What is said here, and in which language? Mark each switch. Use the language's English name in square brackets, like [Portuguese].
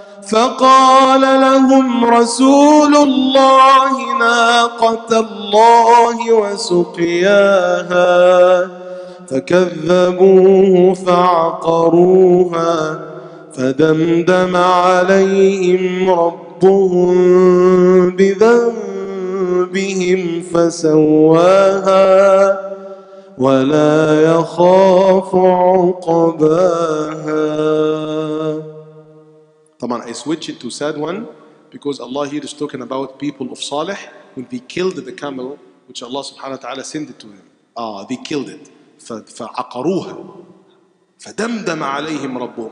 [Arabic] فقال لهم رسول الله ناقة الله وسقياها فكذبوه فعقروها فدمدم عليهم ربهم بذنبهم فسواها ولا يخاف عقباها. [English] طبعا I switch it to sad one because Allah here is talking about people of Saleh when they killed the camel which Allah subhanahu wa ta'ala sent it to him. Ah, they killed it. [Arabic] فعقروها فدمدم عليهم ربهم.